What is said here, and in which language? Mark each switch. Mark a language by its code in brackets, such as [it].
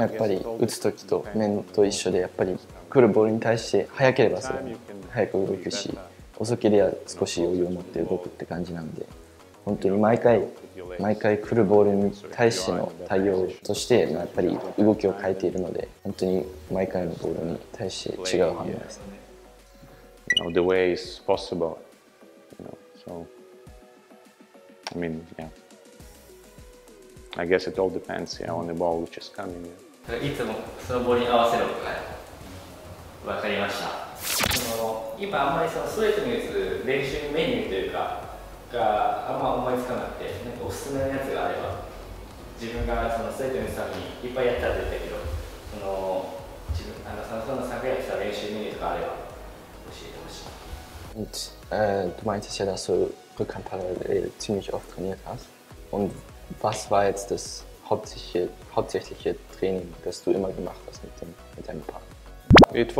[ja] やっぱり打つときと面と一緒で、やっぱり来るボールに対して早ければそれも早く動くし、遅ければ少し余裕を持って動くって感じなんで、本当に毎回来るボールに対しての対応として、やっぱり動きを変えているので、本当に毎回のボールに対して違う反応ですね。 [en] The way is possible, you know, so I mean, yeahI guess it all depends, yeah, on the ball which is coming. [ja] いつもそのボールに合わせろとか、わかりました。今あんまりそのストレートに打つ練習メニューというか、があんま思いつかなくて、なんかおすすめのやつがあれば、自分がそのストレートに打つためにいっぱいやったって言ったけど、その自分あのその昨夜した練習メニューとかあれば教えてほしい。 [de] Du meinst ja, dass du Rückhandparallel ziemlich oft trainiert hast und was war jetzt das hauptsächliche Training, das du immer gemacht hast mit deinem Partner?